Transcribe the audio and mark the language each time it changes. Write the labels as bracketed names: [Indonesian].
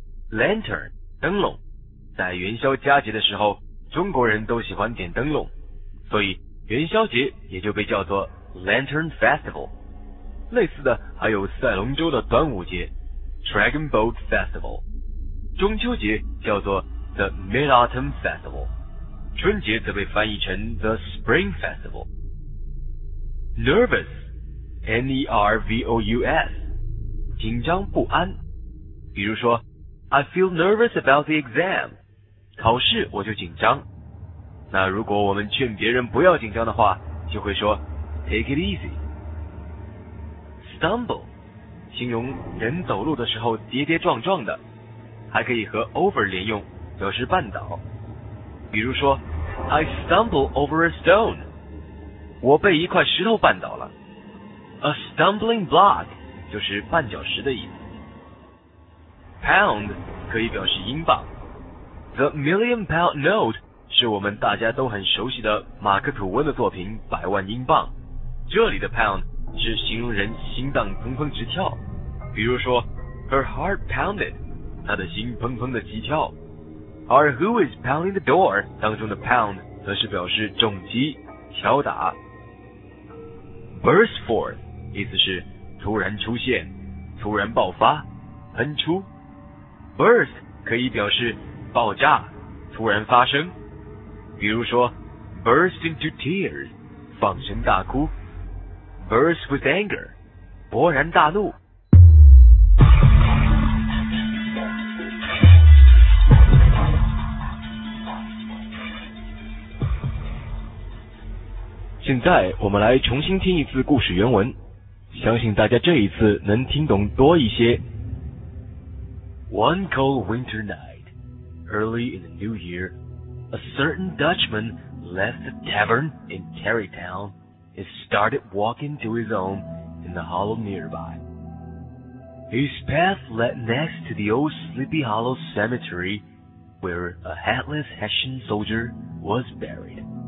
[Chinese] Lantern, 灯笼。在元宵佳节的时候，中国人都喜欢点灯笼。所以元宵节也就被叫做 Lantern Festival。类似的还有赛龙舟的端午节 Dragon Boat Festival。中秋节叫做 The Mid-Autumn Festival。春节则被翻译成 The Spring Festival。 Nervous, N-E-R-V-O-U-S, 紧张不安。比如说 [English] I feel nervous about the exam, [Chinese] 考试我就紧张。那如果我们劝别人不要紧张的话，就会说 [English] take it easy。 [Chinese] Stumble 形容人走路的时候跌跌撞撞的，还可以和 over 连用，表示绊倒。比如说 [English] I stumble over a stone, [Chinese] 我被一块石头绊倒了。 [English] A stumbling block [Chinese] 就是绊脚石的意思。 Pound 可以表示英镑。The million pound note是我们大家都很熟悉的马克吐温的作品《百万英镑》，这里的 pound 是形容人心脏砰砰直跳，比如说 [English] her heart pounded, [Chinese] 她的心砰砰的急跳。而 [English] who is pounding the door [Chinese] 当中的 pound 则是表示重击、敲打。 burst forth 意思是突然出现、突然爆发、喷出。 burst 可以表示爆炸、突然发生。比如说 [English] burst into tears, [Chinese] 放声大哭。 [English] burst with anger, [Chinese] 勃然大怒。现在我们来重新听一次故事原文，相信大家这一次能听懂多一些。 [English] One cold winter night, early in the new year,A certain Dutchman left the tavern in Tarrytown and started walking to his home in the hollow nearby. His path led next to the old Sleepy Hollow Cemetery where a hatless Hessian soldier was buried.